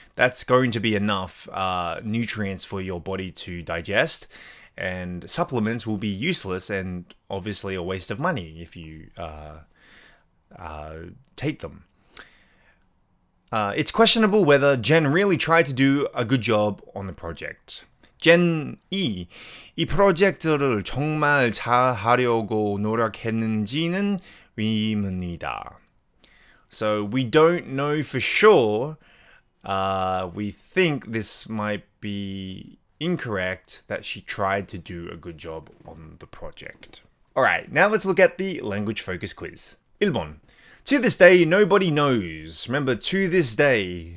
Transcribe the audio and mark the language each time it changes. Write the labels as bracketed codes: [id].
[en] That's going to be enough nutrients for your body to digest. And supplements will be useless and obviously a waste of money if you take them. It's questionable whether Jen really tried to do a good job on the project. [ko] Jen이 이 프로젝트를 정말 잘하려고 노력했는지는 의문이다. [en] So we don't know for sure. We think this might be incorrect that she tried to do a good job on the project. Alright, now let's look at the language focus quiz. 1번. To this day, nobody knows. Remember, to this day.